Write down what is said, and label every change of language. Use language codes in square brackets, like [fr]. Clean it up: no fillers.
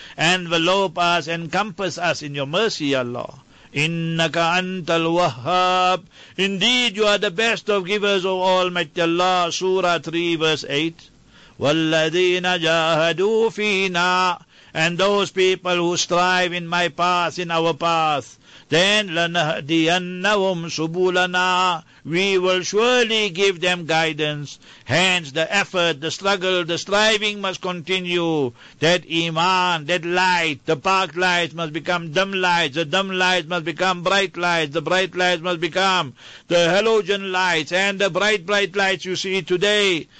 [en] Envelope us, encompass us in your mercy, Allah. [ar] إِنَّكَ أَنْتَ الْوَهَّابِ. [en] Indeed, you are the best of givers, O Almighty Allah. Surah 3, verse 8. [ar] وَالَّذِينَ جَاهَدُوا فِينَا. [en] And those people who strive in my path, in our path. Then [ar] لَنَهْدِيَنَّهُمْ سُبُولَنَا. [en] We will surely give them guidance. Hence the effort, the struggle, the striving must continue. That iman, that light, the park lights must become dumb lights, the dumb lights must become bright lights, the bright lights must become the halogen lights and the bright, bright lights you see today.